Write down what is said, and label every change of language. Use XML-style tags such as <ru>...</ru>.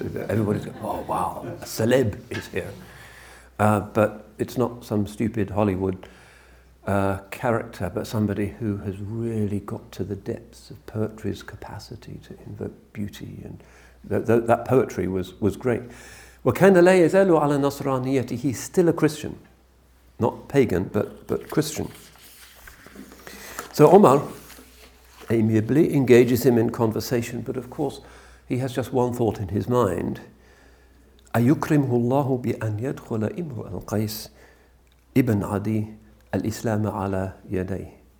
<en>Everybody's going, oh wow, a celeb is here. But it's not some stupid Hollywood character, but somebody who has really got to the depths of poetry's capacity to invoke beauty, and that poetry was great.</en> <ar>Well, كَانَ لَا يَذَلُ عَلَى نَصْرَانِيَتِهِ.</ar> <en>He's still a Christian, not pagan, but Christian. So Omar amiably engages him in conversation, but of course he has just one thought in his mind.</en> <ar>أَيُكْرِمْهُ اللَّهُ بِأَنْ يَدْخُلَ إِمْرُ الْقَيْسِ إِبْنْ عَدِي الْإِسْلَامَ عَلَى يَدَيْهِ.</ar>